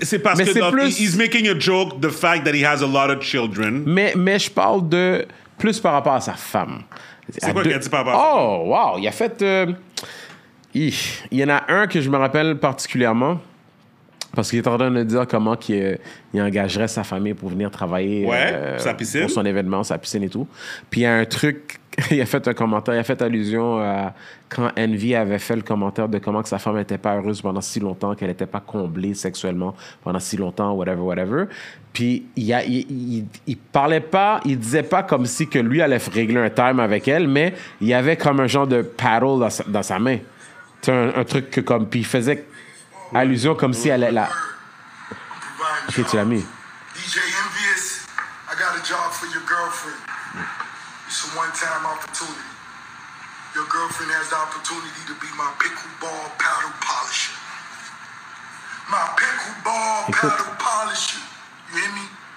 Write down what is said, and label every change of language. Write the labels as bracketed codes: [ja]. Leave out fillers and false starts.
[fr] C'est parce que [en] he's making a joke the fact that he has a lot of children. [fr] Mais je parle de plus par rapport à sa femme. Qu'il a dit par rapport à sa femme? Oh, wow. Il a fait. Il y en a un que je me rappelle particulièrement. Parce qu'il est en train de dire comment qu'il engagerait sa famille pour venir travailler Pour son événement, sa piscine et tout. Puis il y a un truc, il a fait un commentaire, il a fait allusion à quand Envy avait fait le commentaire de comment que sa femme n'était pas heureuse pendant si longtemps, qu'elle n'était pas comblée sexuellement pendant si longtemps, whatever. Puis il disait pas comme si que lui allait régler un time avec elle, mais il y avait comme un genre de paddle dans sa main. C'est un truc que comme, puis il faisait... Ouais. Allusion comme si elle est là. Ok, tu l'as mis. [en] DJ Envious, I got a job for your girlfriend. It's a one-time opportunity. Your girlfriend has the opportunity to be my pickleball paddle polisher. My pickleball paddle polisher. You hear me?